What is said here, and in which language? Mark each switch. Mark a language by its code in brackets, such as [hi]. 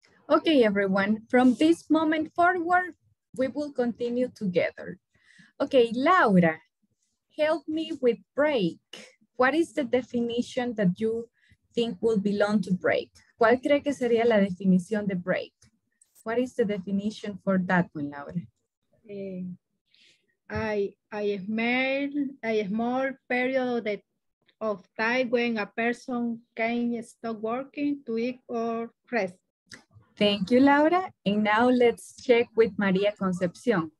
[en] Okay, everyone. From this moment forward, we will continue together. Okay, Laura, help me with break. What is the definition that you think will belong to break? [es] ¿Cuál cree que sería la definición de break? [en] What is the definition for that one, Laura? A small period of time when a person can stop working to eat or rest. Thank you, Laura. And now let's check with Maria Concepcion.